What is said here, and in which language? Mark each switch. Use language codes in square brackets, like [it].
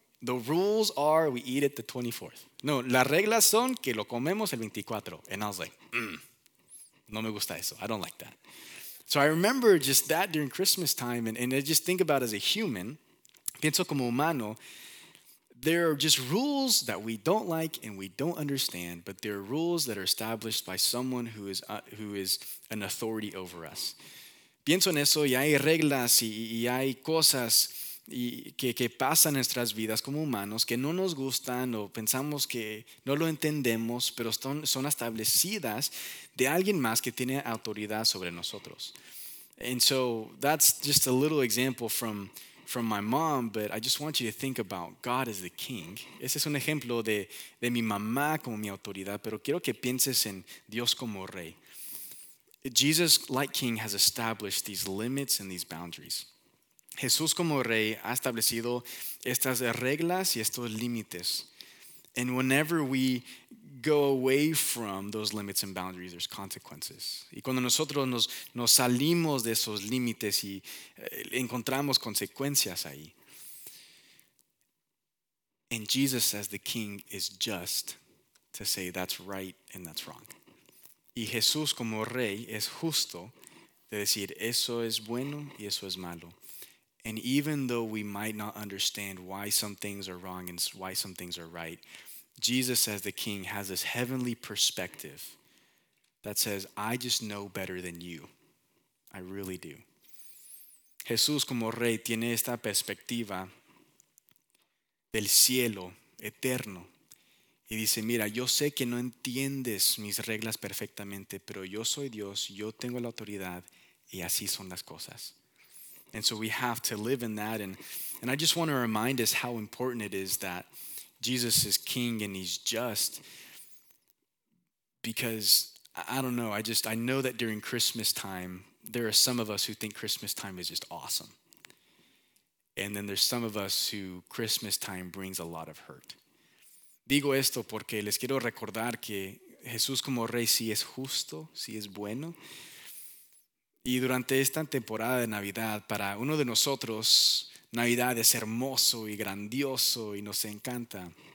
[en] The rules are we eat it the 24th. [es] No, las reglas son que lo comemos el 24. [en] And I was like, [es] no me gusta eso. [en] I don't like that. So I remember just that during Christmas time. And I just think about as a human, [es] pienso como humano, [en] there are just rules that we don't like and we don't understand, but there are rules that are established by someone who is an authority over us. [es] Pienso en eso, y hay reglas y hay cosas que pasan en nuestras vidas como humanos que no nos gustan o pensamos que no lo entendemos, pero son establecidas de alguien más que tiene autoridad sobre nosotros. [en] And so that's just a little example from my mom, but I just want you to think about God as the king. [es] Ese es un ejemplo de mi mamá como mi autoridad, pero quiero que pienses en Dios como rey. [en] Jesus, like king, has established these limits and these boundaries. [es] Jesús como rey ha establecido estas reglas y estos límites. [en] And whenever we go away from those limits and boundaries, there's consequences. [es] Y cuando nosotros nos salimos de esos límites y encontramos consecuencias ahí. [en] And Jesus, as the king, is just to say that's right and that's wrong. [es] Y Jesús como rey es justo de decir eso es bueno y eso es malo. [en] And even though we might not understand why some things are wrong and why some things are right, Jesus as the king has this heavenly perspective that says, I just know better than you. I really do. [es] Jesús como rey tiene esta perspectiva del cielo eterno. Y dice, mira, yo sé que no entiendes mis reglas perfectamente, pero yo soy Dios, yo tengo la autoridad, y así son las cosas. [en] And so we have to live in that. And I just want to remind us how important it is that Jesus is king and he's just. Because, I don't know, I know that during Christmas time, there are some of us who think Christmas time is just awesome. And then there's some of us who Christmas time brings a lot of hurt. [es] Digo esto porque les quiero recordar que Jesús como rey sí es justo, sí es bueno. Y durante esta temporada de Navidad, para uno de nosotros, Navidad es hermoso y grandioso y nos encanta.